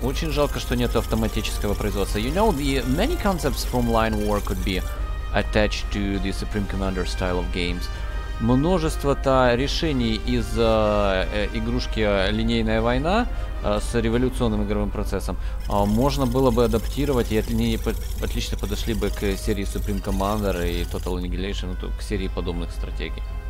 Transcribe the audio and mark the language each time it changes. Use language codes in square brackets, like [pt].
[ru] Очень жалко, что нет автоматического производства. [en] You know, the many concepts from line war could be attached to the Supreme Commander style of games. [ru] Множество-то решений из игрушки «Линейная война» с революционным игровым процессом можно было бы адаптировать, и отлично подошли бы к серии Supreme Commander и Total Annihilation, к серии подобных стратегий.